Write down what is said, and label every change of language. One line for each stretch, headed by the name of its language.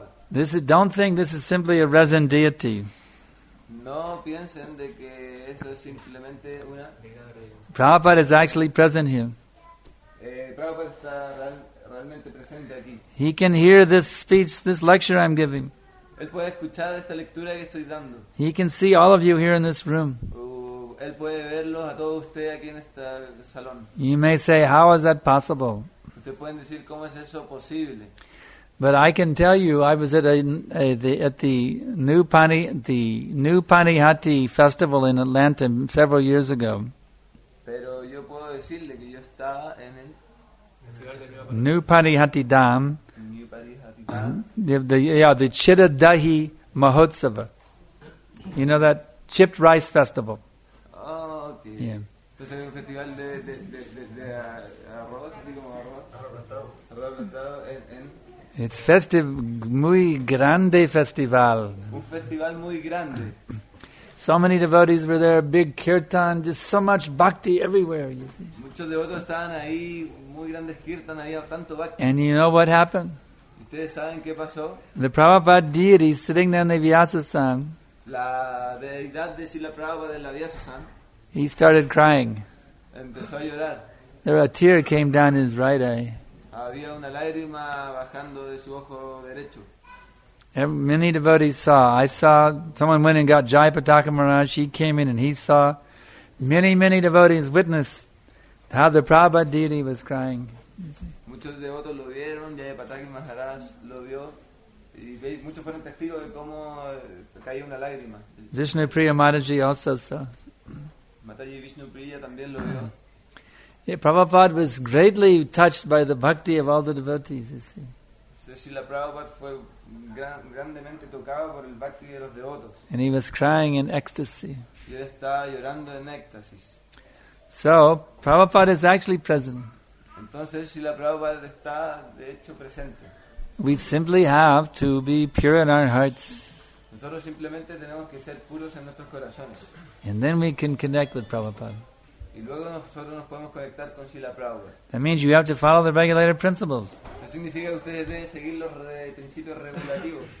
English: This is, don't think this is simply a resin deity.
Spanish: No piensen de que eso es simplemente una...
English: Prabhupada is actually present here.
Spanish: Prabhupada está realmente presente aquí.
English: He can hear this speech, this lecture I'm giving.
Spanish: Él puede escuchar esta lectura que estoy dando.
English: He can see all of you here in this room.
Spanish: Él puede verlos a todos ustedes aquí en este salón.
English: You may say, how is that possible?
Spanish: pueden decir cómo es eso posible.
English: But I can tell you, I was at the New Panihati Festival in Atlanta several years ago.
Spanish: Pero yo puedo decirle que yo estaba en el
English: Panihati Dam. The Chittadahi Mahotsava. You know that chipped rice festival? Oh, okay. Yeah.
Spanish: Entonces un festival de arroz, así como arroz plantado en.
English: It's festive,
Spanish: muy grande festival. Un festival muy grande.
English: So many devotees were there, big kirtan, just so much bhakti everywhere, you see.
Spanish: Muchos devotos estaban ahí, muy grandes kirtan, había tanto bhakti.
English: And you know what happened?
Spanish: ¿Ustedes saben qué pasó?
English: The Prabhupada deity sitting there in the Vyasa-san.
Spanish: La deidad de Srila Prabhupada en la Vyasa-san.
English: He started crying.
Spanish: Empezó a llorar.
English: There a tear came down his right eye.
Spanish: Había una lágrima bajando de su ojo derecho.
English: And many devotees saw. I saw someone went and got Jai Pataka Maharaj. He came in and he saw. Many, many devotees witnessed how the Prabhupada deity was crying.
Spanish: Muchos devotos lo vieron. Jai Pataka Maharaj lo vio. Y muchos fueron testigos de cómo caía una lágrima.
English: Vishnu Priya Mataji also saw.
Spanish: Mataji Vishnu Priya también lo vio.
English: Yeah, Prabhupada was greatly touched by the bhakti of all the devotees, you see.
Spanish: Srila Prabhupada fue grandemente tocado por el bhakti de los devotos.
English: And he was crying in ecstasy.
Spanish: Y él estaba llorando en éxtasis.
English: So, Prabhupada is actually present.
Spanish: Entonces, Srila Prabhupada está de hecho presente.
English: We simply have to be pure in our hearts.
Spanish: Nosotros simplemente tenemos que ser puros en nuestros corazones.
English: And then we can connect with Prabhupada.
Spanish: Y luego nosotros nos podemos conectar con Srila Prabhupada.
English: That means you have to follow the regulator principles.
Spanish: Eso significa que ustedes deben seguir los principios regulativos.